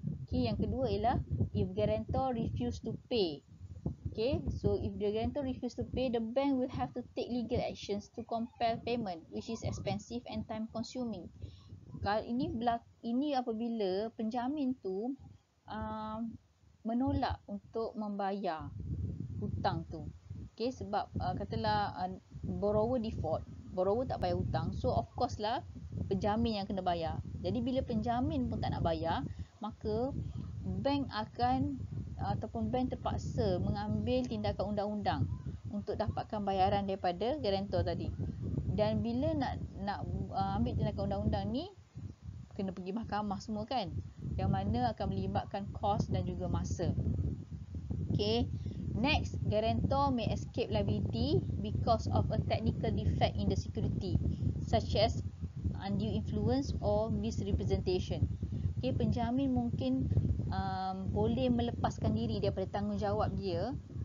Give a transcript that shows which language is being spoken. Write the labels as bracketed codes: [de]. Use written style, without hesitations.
[en] Okay, [ms] yang kedua ialah [en] if guarantor refuse to pay. Okay, so if the guarantor refuse to pay, the bank will have to take legal actions to compel payment, which is expensive and time consuming. [ms] Ini apabila penjamin tu menolak untuk membayar hutang tu. Okay, sebab katalah borrower default, borrower tak bayar hutang, [en] so of course [ms] lah penjamin yang kena bayar. Jadi bila penjamin pun tak nak bayar, maka bank akan ataupun bank terpaksa mengambil tindakan undang-undang untuk dapatkan bayaran daripada guarantor tadi. Dan bila nak ambil tindakan undang-undang ni, kena pergi mahkamah semua kan, yang mana akan melibatkan kos dan juga masa. [en] Okay, next, guarantor may escape liability because of a technical defect in the security such as undue influence or misrepresentation. [ms] Okay, penjamin mungkin boleh melepaskan diri daripada tanggungjawab dia.